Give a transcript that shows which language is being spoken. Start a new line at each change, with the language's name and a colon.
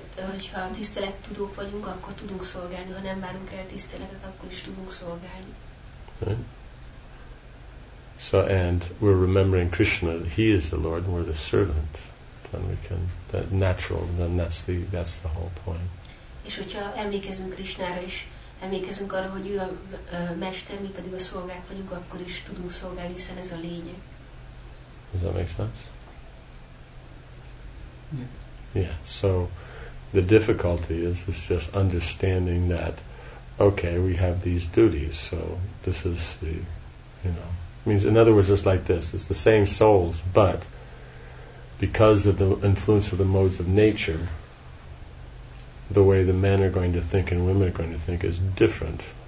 Hungarian: Hogyha tisztelet tudók vagyunk, akkor tudunk szolgálni. Ha nem várunk el tiszteletet, akkor is tudunk szolgálni.
English: Right. So, and we're remembering Krishna. He is the Lord, and we're the servant. Then we can, that natural, then that's the whole point.
Hungarian: És hogyha emlékezünk Krishnára is, emlékezünk arra, hogy ő a mester, mi pedig a szolgák vagyunk, akkor is tudunk szolgálni, hiszen ez a lényeg.
English: Does that make sense? Yeah. Yeah. So the difficulty is just understanding that, okay, we have these duties, so this is the, you know. Means, in other words, it's like this. It's the same souls, but because of the influence of the modes of nature, the way the men are going to think and women are going to think is different.